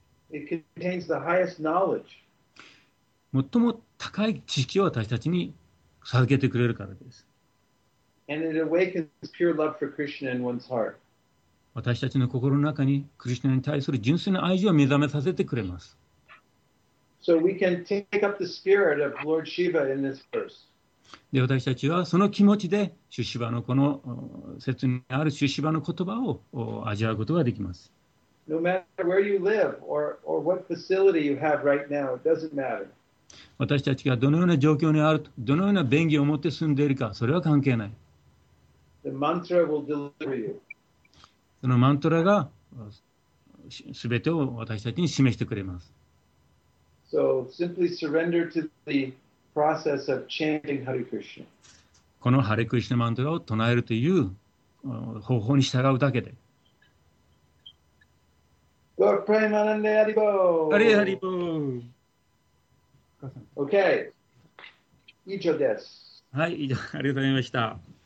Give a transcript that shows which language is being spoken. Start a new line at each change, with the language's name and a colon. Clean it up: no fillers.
English: It contains the highest knowledge.
Japanese: 最も高い知識を私たちに授けてくれるからです。
English: And it awakens pure love for Krishna in one's heart.
Japanese: 私たちの心の中にクリシュナに対する純粋な愛情を目覚めさせてくれます。
English: So we can take up the spirit of Lord Shiva in this verse.
Japanese: で、私たちはその気持ちでシュシバのこの説にあるシュシバの言葉を味わうことができます。
English: No matter where you live or what facility you have right now, it doesn't matter.
Japanese: 私たちがどのような状況にあると、どのような便宜を持って住んでいるか、それは関係ない。
English: The mantra will deliver you.
Japanese: そのマントラが全てを私たちに示してくれます。
English: So simply surrender to the process of chanting Hare Krishna.
Japanese: このハレクリシュナマントラを唱えるという方法に従うだけで。
Sanskrit: Go Premanande Haribo. Hare Haribo.
Japanese: Okay. 以上です。はい、以上、ありがとうございました。